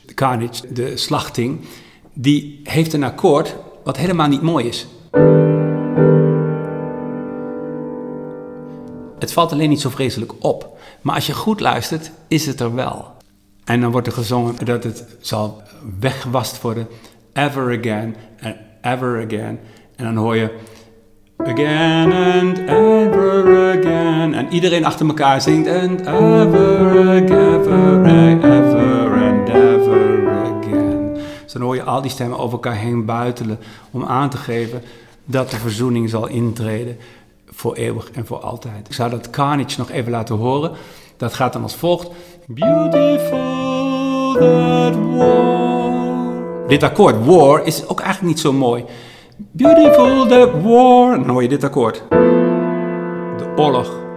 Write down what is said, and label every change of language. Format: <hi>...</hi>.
<nl>Carnage, de slachting, die heeft een akkoord wat helemaal niet mooi is. Het valt alleen niet zo vreselijk op. Maar als je goed luistert, is het er wel. En dan wordt er gezongen dat het zal weggewast worden.</nl> <en>Ever again and ever again.</en> <nl>En dan hoor je...</nl> <en>again and ever again.</en> <nl>En iedereen achter elkaar zingt...</nl> <en>and ever again, ever, ever and ever again.</en> <nl>Dus dan hoor je al die stemmen over elkaar heen buitelen... om aan te geven dat de verzoening zal intreden... voor eeuwig en voor altijd. Ik zou dat carnage nog even laten horen. Dat gaat dan als volgt.</nl> <en>Beautiful that war.</en> <nl>Dit akkoord, war, is ook eigenlijk niet zo mooi.</nl> <en>Beautiful that war.</en> <nl>Dan hoor je dit akkoord. De oorlog.</nl>